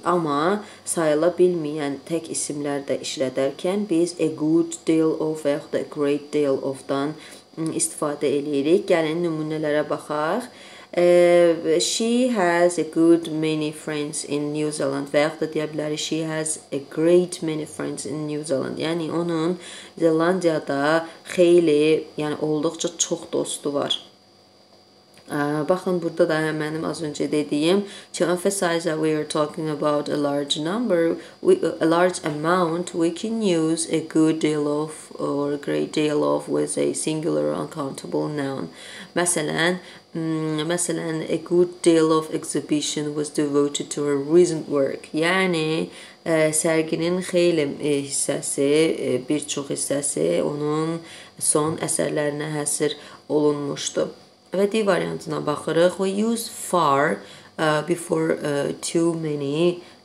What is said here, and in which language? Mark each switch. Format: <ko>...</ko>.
<az>Amma sayıla bilməyən tək isimlər də işlədərkən biz a good deal of və yaxud da a great deal of-dan istifadə eləyirik. Gəlin nümunələrə baxaq.</az> <en>She has a good many friends in New Zealand.</en> <az>Və yaxud da deyə bilərik,</az> <en>she has a great many friends in New Zealand.</en> <az>Yəni, onun Zelandiyada xeyli, yəni olduqca çox dostu var. Baxın, burada da mənim az öncə dediyim,</az> <en>to emphasize that we are talking about a large number, a large amount, we can use a good deal of or a great deal of with a singular uncountable noun.</en> <az>Məsələn,</az> <en>a good deal of exhibition was devoted to her recent work.</en> <az>Yəni, sərginin xeyli hissəsi, bir çox hissəsi onun son əsərlərinə həsr olunmuşdu. Və D variantına baxırıq.</az> <en>We use far before too many.</en>